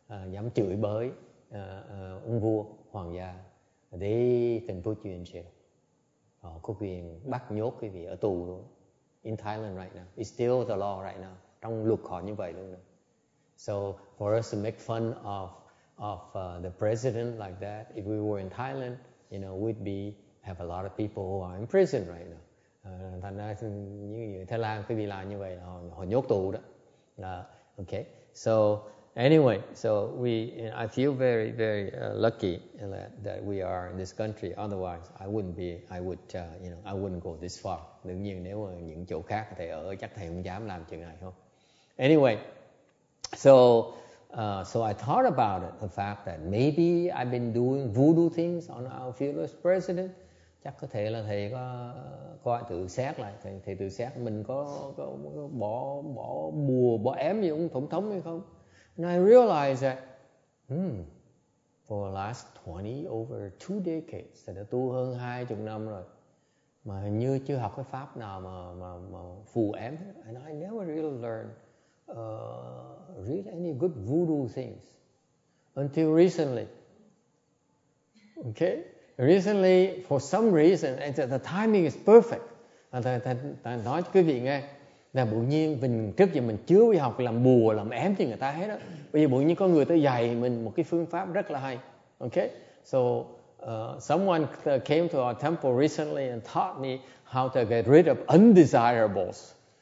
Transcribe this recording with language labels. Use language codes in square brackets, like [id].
[vi] dám chửi bới ông vua, hoàng gia. [en] They can put you in jail. [vi] Họ có quyền bắt nhốt quý vị ở tù luôn. [en] In Thailand right now, it's still the law right now. [vi] Trong luật họ như vậy luôn. [en] So for us to make fun of the president like that, if we were in Thailand, you know, we'd be have a lot of people who are in prison right now. [vi] Thành ra như người Thái Lan cái vì làm như vậy là họ nhốt tù đó. [en] Okay. So anyway, so we, I feel very, very lucky that we are in this country. Otherwise, I wouldn't go this far. [vi] Đương nhiên nếu mà những chỗ khác thầy ở chắc thầy không dám làm chuyện này không. [en] Anyway, so I thought about it, the fact that maybe I've been doing voodoo things on our fearless president. [vi] Chắc có thể là thầy có tự xét lại, thầy tự xét mình có bỏ bùa, bỏ ém gì ông tổng thống hay không. [en] And I realized that for the last 20 over 2 decades, [vi] thầy đã tu hơn 20 năm rồi mà hình như chưa học cái pháp nào mà phù ém. [en] And I never really learned any good voodoo things until recently. Okay. Recently, for some reason, and the timing is perfect. [vi] Thầy nói cho quý vị nghe, Là bự nhiên mình trước giờ mình chưa đi học làm bùa làm ém cho người ta hết đó. Bây giờ bự nhiên có người tới dạy mình một cái phương pháp rất là hay. [en] Okay? So someone came to our temple recently and taught me how to get rid of undesirables.